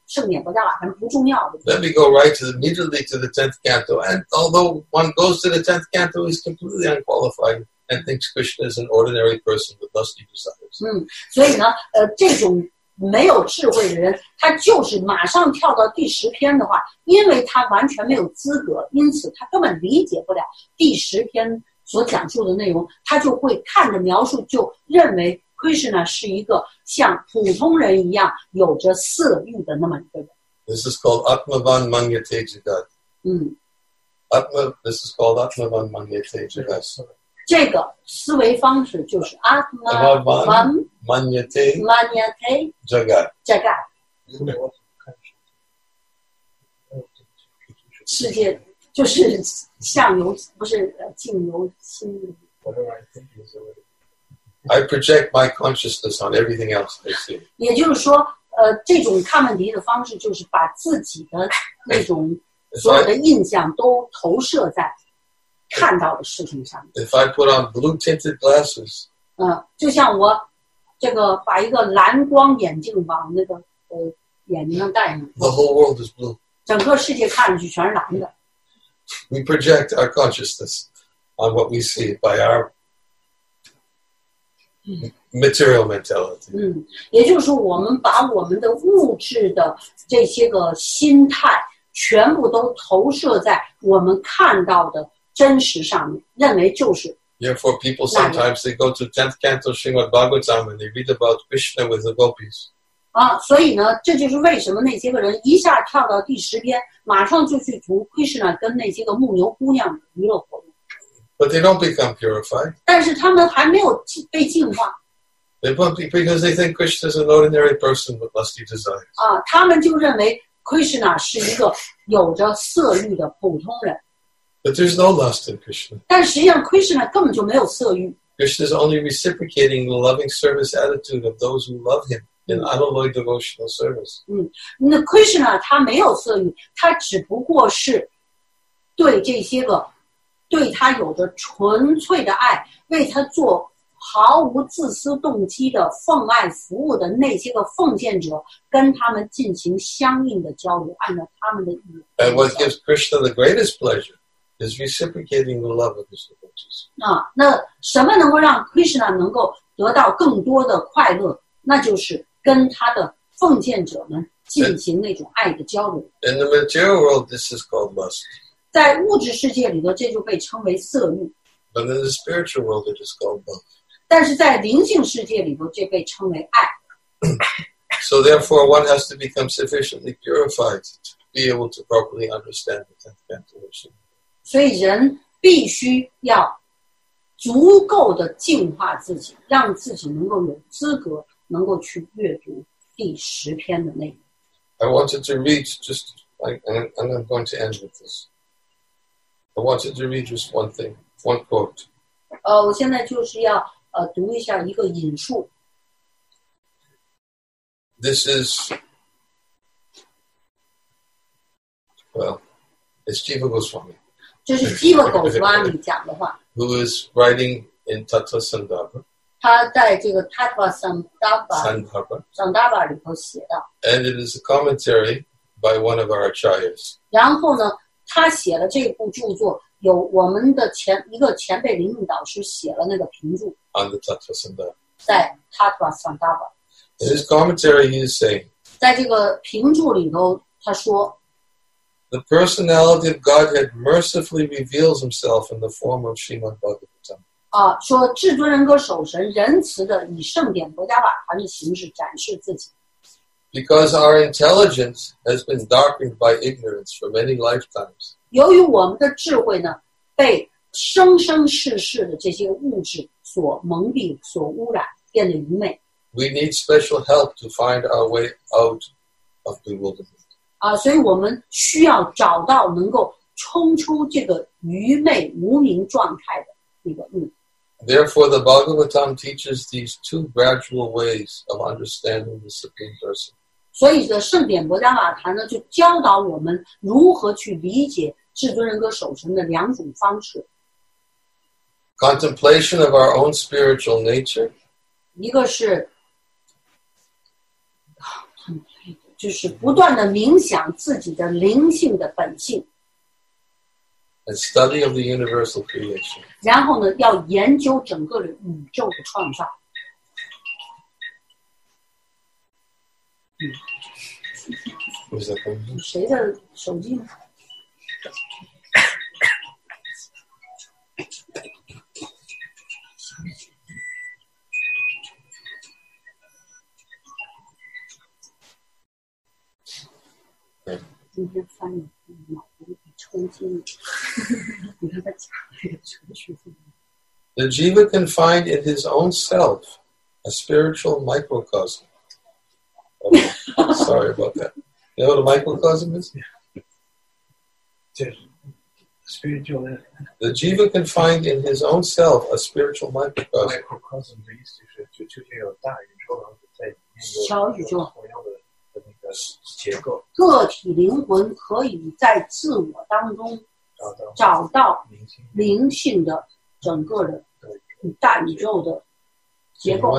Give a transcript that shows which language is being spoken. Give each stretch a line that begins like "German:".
English: Let me go right to immediately to the 10th canto. And although one goes to the 10th canto, he's completely unqualified and thinks Krishna is an ordinary person with lusty desires.
Chinese: 所以呢，这种没有智慧的人，他就是马上跳到第十篇的话，因为他完全没有资格，因此他根本理解不了第十篇所讲述的内容，他就会看着描述就认为Krishna 是一个像普通人一样有着色欲的那么一个人。
English: This is called
Sanskrit: Atmavan Manyate Jagat.
English: This is called Atmavan Manyate Jagat.
Chinese: 这个思维方式就是
Sanskrit: Atmavan Manyate Jagat. Jagat.
Chinese: 世界就是相由不是境由心。
English: I project my consciousness on everything else I see.
Chinese: 也就是说，这种看问题的方式就是把自己的那种所有的印象都投射在看到的事情上。
English: If I put on blue tinted glasses,
Chinese: 就像我这个把一个蓝光眼镜往那个眼睛上戴上。
English: The whole world is blue.
Chinese: 整个世界看上去全是蓝的。
English: We project our consciousness on what we see by our material mentality.
Chinese: 也就是我们把我们的物质的这些个心态全部都投射在我们看到的真实上面，认为就是。
English: Therefore, people sometimes they go to 10th canto Srimad Bhagavatam and they read about Krishna with the gopis.
Chinese: 所以呢，这就是为什么那些个人一下跳到第十篇，马上就去读 Krishna 跟那些个牧牛姑娘的娱乐活动。
English: But they don't become purified.
Chinese: 但是他们还没有被净化。
English: They won't be because they think Krishna is an ordinary person with lusty desires.
Chinese: 他们就认为 Krishna 是一个有着色欲的普通人。
English: But there's no lust in Krishna.
Chinese: 但实际上 Krishna 根本就没有色欲。
English: Krishna is only reciprocating the loving service attitude of those who love him in unalloyed devotional service.
Chinese: 那 Krishna 他没有色欲，他只不过是对这些个对他有着纯粹的爱，为他做毫无自私动机的奉爱服务的那些个奉献者，跟他们进行相应的交流，按照他们的意愿。
English: And what gives Krishna the greatest pleasure is reciprocating the love of his devotees.
Chinese: 那什么能够让 Krishna 能够得到更多的快乐？那就是跟他的奉献者们进行那种爱的交流。
English: In the material world, this is called lust.
Chinese: 在物质世界里头，这就被称为色欲。
English: But in the spiritual world, it is called love.
Chinese: 但是在灵性世界里头，这被称为爱。
English: So therefore, one has to become sufficiently purified to be able to properly understand the tenth canto of Śrīmad.
Chinese: 所以人必须要足够的净化自己，让自己能够有资格能够去阅读第十篇的内容。
English: I wanted to read just, and I'm going to end with this. I wanted to read just one thing. One quote.
Chinese: 我现在就是要读一下一个引述。
English: This is, well, it's Jiva Goswami.
Chinese: 这是 Jiva Goswami 讲的话。
English: Who is writing in Tattva Sandarbha.
Chinese: 他在这个 Tattva Sandarbha, Sandarbha, Sandarbha 里头写的。
English: And it is a commentary by one of our acharyas.
Chinese: 然后呢，他写了这部著作。有我们的前一个前辈灵应导师写了那个评注。
English: On the Tattva Sandarbha.
Chinese: 在 Tattva Sandarbha.
English: In his commentary, he is saying.
Chinese: 在这个评注里头，他说。
English: The personality of Godhead mercifully reveals himself in the form of Srimad Bhagavatam.
Chinese: 说至尊人格守神仁慈的以圣典国家瓦盘的形式展示自己。
English: Because our intelligence has been darkened by ignorance for many lifetimes.
Chinese: 由于我们的智慧呢，被生生世世的这些物质所蒙蔽、所污染，变得愚昧。
English: We need special help to find our way out of bewilderment.
Chinese: 所以我们需要找到能够冲出这个愚昧无明状态的那个路。
English: Therefore, the Bhagavatam teaches these two gradual ways of understanding the Supreme Person.
Chinese: 所以这圣典薄伽瓦坛呢就教导我们如何去理解至尊人格守神的两种方式。
English: Contemplation of our own spiritual nature.
Chinese: 一个是就是不断的冥想自己的灵性的本性。
English: And study of the universal creation.
Chinese: 然后呢要研究整个的宇宙的创造。
English: Who's that coming from?
Chinese: 谁的手机呢？今天翻译脑子里被冲击了，你看他讲那个程序怎么？
English: The jiva can find in his own self a spiritual microcosm. Sorry about that. You know what a microcosm is? Spiritual. The jiva can find in his own self a spiritual microcosm.
Chinese: Microcosm 的意思是就是有大宇宙，然后在小宇宙同样的那个结构。个体灵魂可以在自我当中找到灵性的整个的大宇宙的结构。